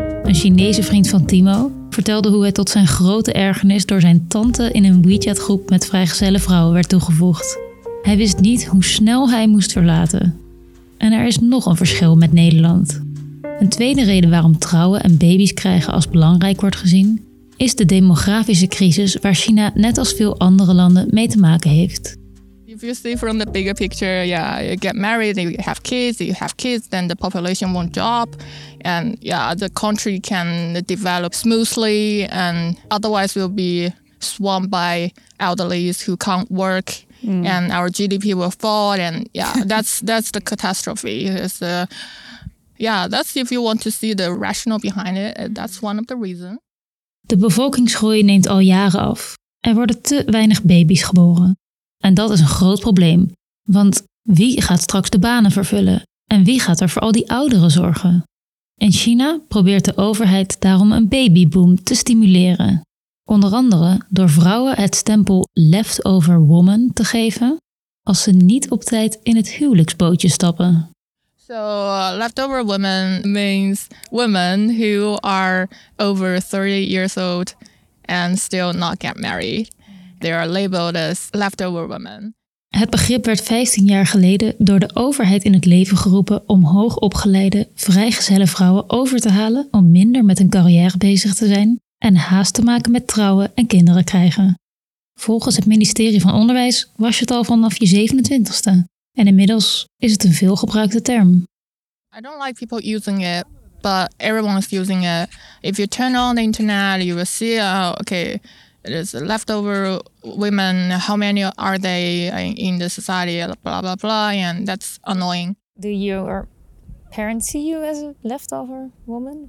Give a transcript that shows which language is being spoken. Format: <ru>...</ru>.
<nl>Een Chinese vriend van Timo vertelde hoe hij tot zijn grote ergernis door zijn tante in een WeChat-groep met vrijgezelle vrouwen werd toegevoegd. Hij wist niet hoe snel hij moest verlaten. En er is nog een verschil met Nederland. Een tweede reden waarom trouwen en baby's krijgen als belangrijk wordt gezien, is de demografische crisis waar China net als veel andere landen mee te maken heeft.</nl> <en>If you see from the bigger picture, yeah, you get married, you have kids, then the population won't drop. And yeah, the country can develop smoothly and otherwise we'll be swamped by elderlies who can't work. And our GDP will fall, and yeah, that's the catastrophe. That's if you want to see the rationale behind it, that's one of the reasons.</en> <nl>De bevolkingsgroei neemt al jaren af. Er worden te weinig baby's geboren. En dat is een groot probleem. Want wie gaat straks de banen vervullen? En wie gaat er voor al die ouderen zorgen? In China probeert de overheid daarom een babyboom te stimuleren. Onder andere door vrouwen het stempel leftover woman te geven als ze niet op tijd in het huwelijksbootje stappen.</nl> <en>So leftover woman means women who are over 30 years old and still not get married. They are labeled as leftover women.</en> <nl>Het begrip werd 15 jaar geleden door de overheid in het leven geroepen om hoogopgeleide, vrijgezelle vrouwen over te halen om minder met hun carrière bezig te zijn en haast te maken met trouwen en kinderen krijgen. Volgens het ministerie van Onderwijs was je het al vanaf je 27ste. En inmiddels is het een veelgebruikte term.</nl> <en>I don't like people using it, but everyone is using it. If you turn on the internet, you will see, it is leftover women. How many are they in the society, blah, blah, blah, and that's annoying. Do your parents see you as a leftover woman?</en>